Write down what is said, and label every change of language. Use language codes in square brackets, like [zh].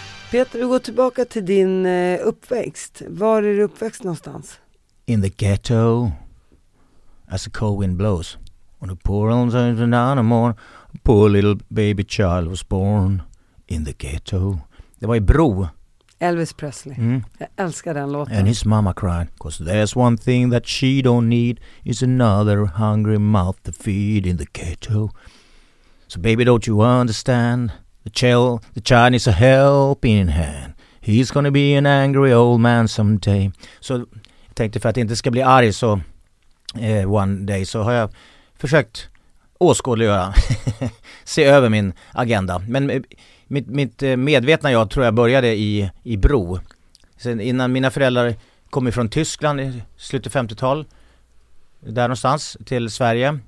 [sv] Peter, du går tillbaka till din uppväxt. Var är du uppväxt någonstans? [en] In the ghetto. as the cold wind blows. On a poor old Santa morn, poor little baby child was born in the ghetto. [sv] Det var i Bro. Elvis Presley. Mm. Jag älskar den låten. [en] And his mama cried, 'cause there's one thing that she don't need is another hungry mouth to feed in the ghetto. So baby, don't you understand? The child needs a helping hand. He's gonna be an angry old man someday. [sv] Så jag tänkte, för att inte ska bli arg, så [en] one day [sv] så har jag försökt åskådliggöra, se över min agenda. Men mitt medvetna jag tror jag började i Bro. Sen innan mina föräldrar kom ifrån Tyskland i slutet 50-tal, där någonstans, till Sverige.